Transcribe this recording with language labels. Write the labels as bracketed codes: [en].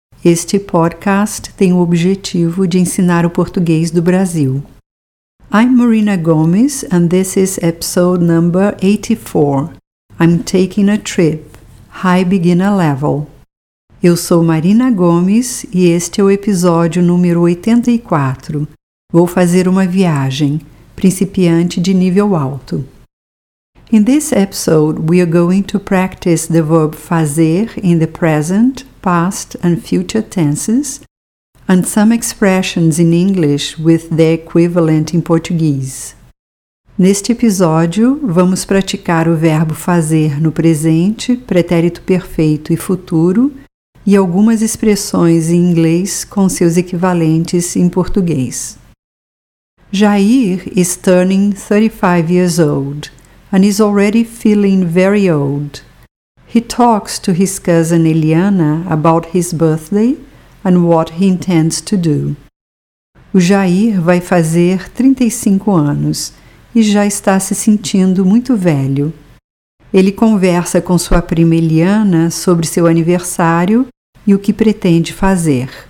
[pt] Este podcast tem o objetivo de ensinar o português do Brasil. [en] I'm Marina Gomes, and this is episode number 84. I'm taking a trip, high beginner level. [pt] Eu sou Marina Gomes, e este é o episódio número 84. Vou fazer uma viagem, principiante de nível alto. [en] In this episode, we are going to practice the verb fazer in the present, past and future tenses, and some expressions in English with their equivalent in Portuguese. [pt] Neste episódio, vamos praticar o verbo fazer no presente, pretérito perfeito e futuro, e algumas expressões em inglês com seus equivalentes em português. [en] Jair is turning 35 years old and is already feeling very old. He talks to his cousin Eliana about his birthday and what he intends to do. [pt] O Jair vai fazer 35 anos e já está se sentindo muito velho. Ele conversa com sua prima Eliana sobre seu aniversário e o que pretende fazer.